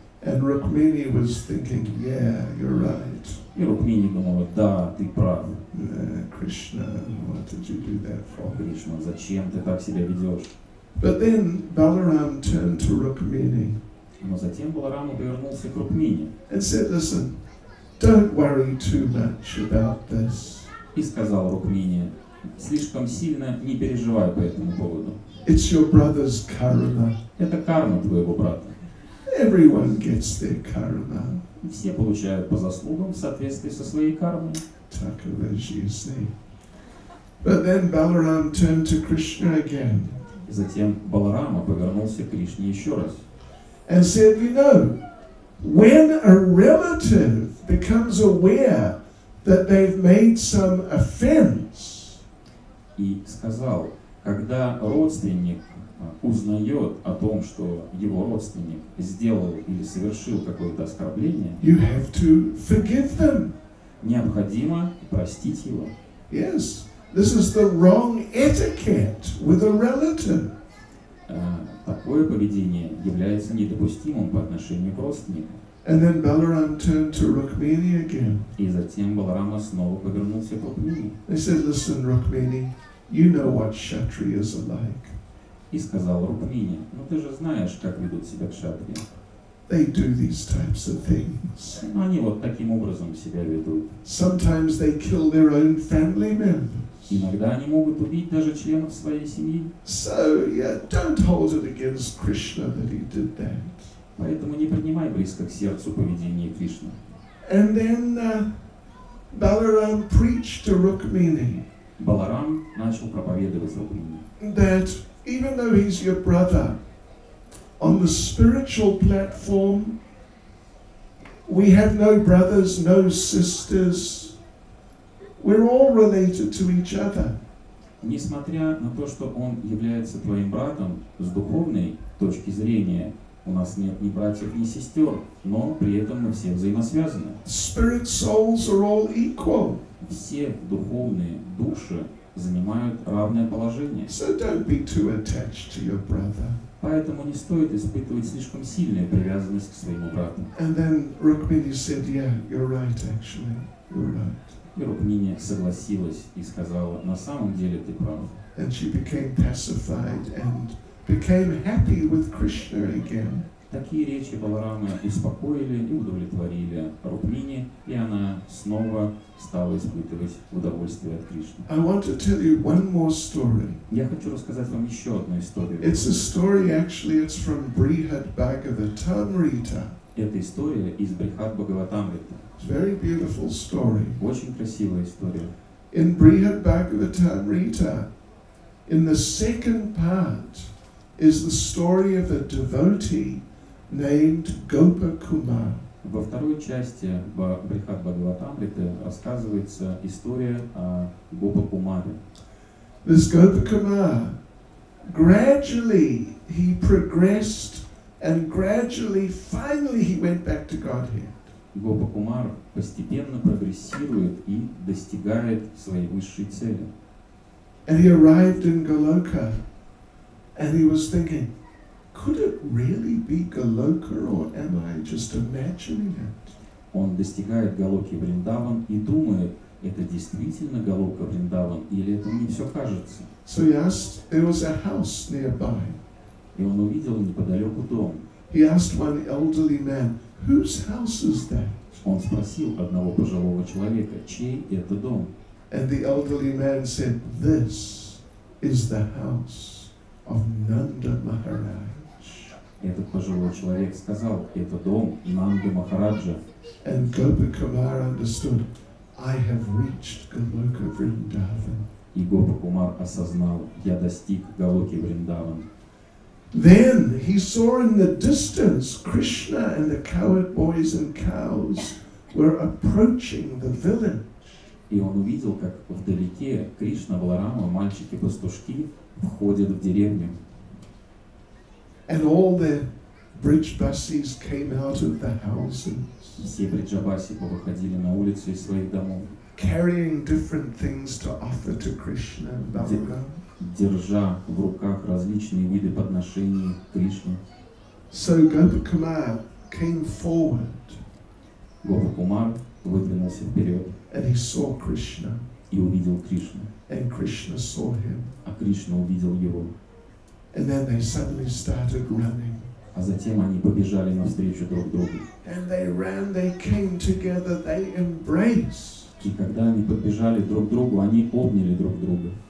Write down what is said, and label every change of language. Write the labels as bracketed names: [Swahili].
[English] And Rukmini was thinking, yeah, you're right. [Russian] И Рукмини думала, да, ты прав. [English] Krishna, what did you do that for? [Russian] Кришна, зачем ты так себя ведешь? [English] But then Balaram turned to Rukmini. [Russian] Но затем Баларама повернулся к Рукмини. [English] And said, "Listen, don't worry too much about this." [Russian] И сказал Рукмини: "Слишком сильно не переживай по этому поводу." [English] It's your brother's karma. [Russian] Это карма твоего брата. [English] Everyone gets their karma. [Russian] Все получают по заслугам в соответствии со своей кармой. Так и вышло. [English] But then Balaram turned to Krishna again. [Russian] Затем Баларама повернулся к Кришне еще раз. [English] And said, "You know, when a relative becomes aware that they've made some offense." [Russian] И сказал, когда родственник узнает о том, что его родственник сделал или совершил какое-то оскорбление, [English] you have to forgive them. [Russian] Необходимо простить его. [English] Yes, this is the wrong etiquette with a relative. [Russian] Такое поведение является недопустимым по отношению к родственнику. [English] And then Balaram turned to Rukmini again. [Russian] И затем Баларама снова повернулся к Рукмини. [English] He said, "Listen, Rukmini, you know what kshatriyas are like." [Russian] И сказал Рукмини: "Ну ты же знаешь, как ведут себя кшатрии." [English] They do these types of things. [Russian] Но они вот таким образом себя ведут. [English] Sometimes they kill their own family members. [Russian] Иногда они могут убить даже членов своей семьи. [English] So, yeah, don't hold it against Krishna that he did that. [Russian] Поэтому не принимай близко к сердцу поведение Кришны. [English] And then Balaram preached to Rukmini. [Russian] Баларам начал проповедовать Рукмини. [English] That even though he's your brother, on the spiritual platform, we have no brothers, no sisters. We're all related to each other. [Russian] Несмотря на то, что он является твоим братом, с духовной точки зрения, у нас нет ни братьев, ни сестер, но при этом мы все взаимосвязаны. [English] Spirit souls are all equal. [Russian] Все духовные души занимают равное положение. [English] So don't be too attached to your brother. [Russian] Поэтому не стоит испытывать слишком сильную привязанность к своему брату. [English] And then Rukmini said, "Yeah, you're right, actually, you're right." [Russian] И Рукмини согласилась и сказала: "На самом деле ты прав." [English] And she became pacified and became happy with Krishna again. [Russian] Такие речи Баларамы успокоили и удовлетворили Рукмини, и она снова стала испытывать удовольствие от Кришны. [English] I want to tell you one more story. [Russian] Я хочу рассказать вам еще одну историю. [English] It's a story, actually, it's from Brihad Bhagavatamrita. [Russian] Эта история из Брихад Бхагаватамриты. [English] It's a very beautiful story. [Russian] Очень красивая история. [English] In Brihad Bhagavatamrita, in the second part, is the story of a devotee named Gopakumar. [Russian] Во второй части Брихад Бхагаватамриты рассказывается история о Гопакумаре. [English] This Gopakumar, gradually he progressed, and gradually, finally, he went back to Godhead. [Russian] Гопакумар постепенно прогрессирует и достигает своей высшей цели. [English] And he arrived in Goloka, and he was thinking, could it really be Goloka, or am I just imagining it? [Russian] Он достигает Голоки Вриндаван и думает, это действительно Голока Вриндаван или это мне все кажется? [English] So he asked, there was a house nearby. [Russian] И он увидел неподалеку дом. [English] He asked one elderly man, "Whose house is that?" [Russian] Он спросил одного пожилого человека, чей это дом. [English] And the elderly man said, "This is the house of Nanda Maharaj." [Russian] Этот пожилой человек сказал, это дом Нанды Махараджа. [English] And Gopakumar understood, "I have reached Goloka Vrindavan." [Russian] И Гопакумар осознал, я достиг Голоки Вриндаван. [English] Then he saw in the distance Krishna and the cowherd boys and cows were approaching the village. [Russian] И он увидел, как вдалеке Кришна, Баларама, мальчики-пастушки входят в деревню. [English] And all the Briджабасис came out of the houses. [Russian] Все Бриджабаси повыходили на улицу из своих домов. [English] Carrying different things to offer to Krishna and Balarama. [Russian] Держа в руках различные виды подношений Кришне. [English] So Gopakumar came forward. [Russian] Гопакумар выдвинулся вперед. [English] And he saw Krishna. [Russian] И увидел Кришну. [English] And Krishna saw him. [Russian] А Кришна увидел его. [English] And then they suddenly started running. [Russian] А затем они побежали навстречу друг другу. [English] And they ran, they came together, they embraced. [Russian] И когда они подбежали друг к другу, они обняли друг друга.